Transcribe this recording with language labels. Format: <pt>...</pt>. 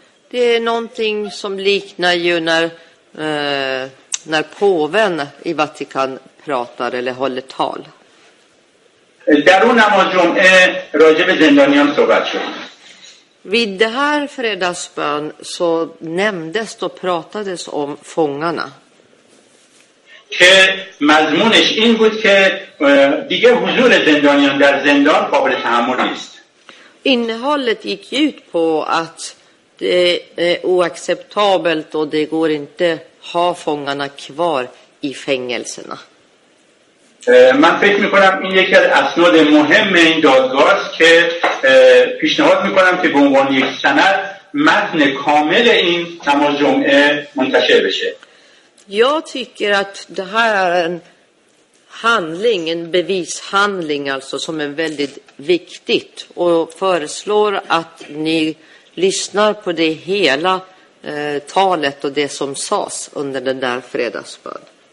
<sv>Det är någonting som liknar ju när påven i Vatikan pratar eller håller tal.</sv> <fa>در اون نماز جمعه راجع به زندانیان صحبت شد.</fa> <sv>Vid det här fredagsbön så nämndes och pratades om fångarna.</sv> <fa>که مضمونش این بود که دیگه حضور زندانیان در زندان قابل تحمل نیست.</fa> <sv>Innehållet gick ut på att det är oacceptabelt och det går inte ha fångarna kvar i fängelserna.</sv> <fa>من فکر میکنم این یکی از اسناد مهم این دادگاه است که پیشنهاد میکنم که به عنوان یک سند متن کامل این نماز جمعه منتشر بشه.</fa> <sv>Jag tycker att det här är en handling, en bevishandling alltså, som är väldigt viktigt och föreslår att ni lyssnar på det hela talet och det som sades under den där fredagsbön.</sv>